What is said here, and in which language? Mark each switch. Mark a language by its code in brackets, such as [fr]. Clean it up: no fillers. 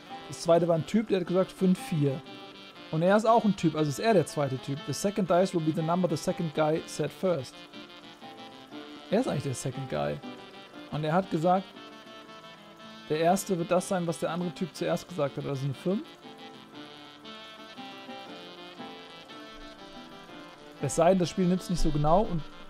[de] Das zweite war ein Typ, der hat gesagt 5-4. Und er ist auch ein Typ, also ist er der zweite Typ. [en] The second dice will be the number the second guy said first. [de] Er ist eigentlich der [en] second guy. [de] Und er hat gesagt, der erste wird das sein, was der andere Typ zuerst gesagt hat. Also eine 5. Es sei denn, das Spiel nimmt es nicht so genau und...